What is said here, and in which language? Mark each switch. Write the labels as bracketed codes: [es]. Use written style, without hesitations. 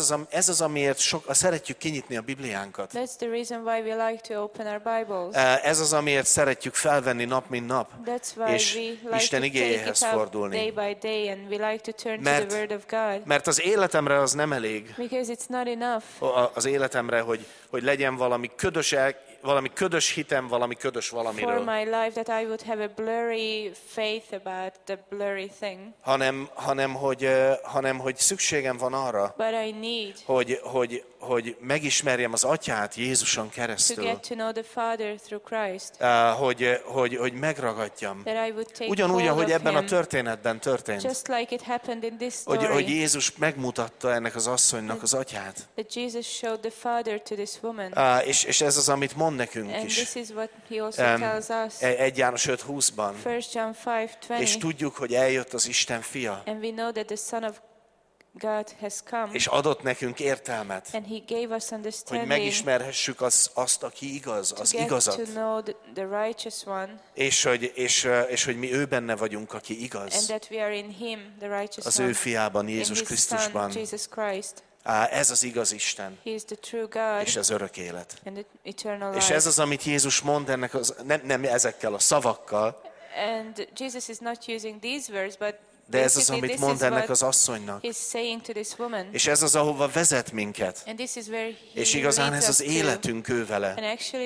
[hu] Ez az amiért szeretjük kinyitni a Bibliánkat. [en] That's the reason why we like to open our Bibles. [hu] Ez az amiért szeretjük felvenni nap mint nap. [en] That's why [hu] és [en] we like [hu] Isten igéjéhez fordulni. [en] Day by day, and we like to turn to the Word of God. [hu] Mert az életemre az nem elég. [en] Because it's not enough. [hu] Az életemre, hogy legyen valami ködös hitem, valami ködös valamiről. [en] For my life that I would have a blurry faith about the blurry thing. [hu] Hanem hogy szükségem van arra. [en] But I need. [hu] Hogy megismerjem az Atyát Jézuson keresztül. [en] To get to know the Father through Christ. [hu] Hogy megragadjam. Ugyanúgy, ahogy ebben [en] him, [hu] a történetben történt. [en] Just like it happened in this story. [hu] Hogy Jézus megmutatta ennek az asszonynak az Atyát. [en] That Jesus showed the Father to this woman. [hu] És ez az, amit mond nekünk [en] and is. And this is what he also tells us. [hu] 1 János 5:20. [en] 1 John 5:20. [hu] És tudjuk, hogy eljött az Isten fia. [en] And we know that the Son of God has come. [hu] És adott nekünk értelmet. [en] And he gave us understanding. [hu] Hogy megismerhessük azt, aki igaz, az igazat. [en] To get to know the righteous one. [hu] És hogy mi ő benne vagyunk, aki igaz. [en] And that we are in him, the righteous one. [hu] Az ő fiában, Jézus Krisztusban. [en] Jesus Christ. [hu] Ez az igaz Isten. [en] He is the true God. [hu] És az örök élet. [en] And the eternal life. [hu] És ez az, amit Jézus mond ennek az, nem ezekkel a szavakkal. [en] And Jesus is not using these words, but [hu] de ez az, amit mond ennek az asszonynak. És ez az, ahova vezet minket. És igazán ez az életünk ő vele.